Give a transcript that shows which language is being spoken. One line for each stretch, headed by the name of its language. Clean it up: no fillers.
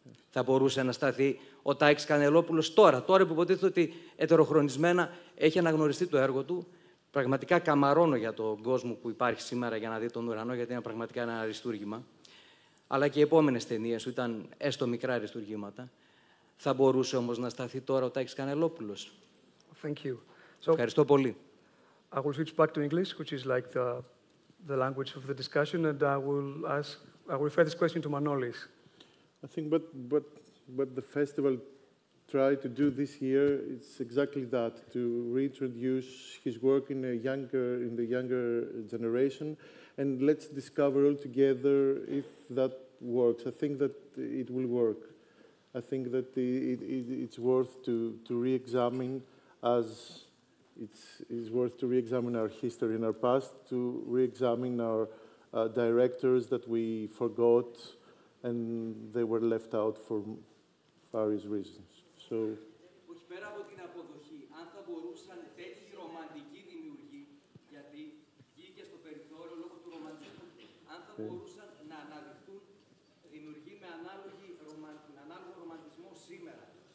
Greek: Θα μπορούσε να σταθεί ο Τάκης Κανελλόπουλος τώρα που υποτίθεται ότι ετεροχρονισμένα έχει αναγνωριστεί το έργο του. Πραγματικά καμαρώνω για τον κόσμο που υπάρχει σήμερα για να δει τον ουρανό, γιατί είναι πραγματικά ένα αριστούργημα. Αλλά και οι επόμενες ταινίες του ήταν έστω μικρά αριστούργηματα. Θα μπορούσε όμως να σταθεί τώρα ο Τάκης Κανελλόπουλος.
English: Thank you.
Greek: Ευχαριστώ πολύ.
English: I will switch back to English, which is like the language of the discussion, and I will refer this question to Manolis. I think what the festival tried to do this year is exactly that, to reintroduce his work in the younger generation, and let's discover all together if that works. I think that it will work. I think that it's worth to re-examine, as it's worth to re-examine our history and our past, to re-examine our directors that we forgot and they were left out for various reasons. So,
Greek: όχι πέρα από την αποδοχή, αν θα μπορούσαν τέτοιοι ρομαντικοί δημιουργοί, γιατί βγήκε στο περιθώριο λόγω του ρομαντισμού, αν θα μπορούσαν να αναδειχθούν δημιουργοί με ανάλογο ρομαντισμό σήμερα.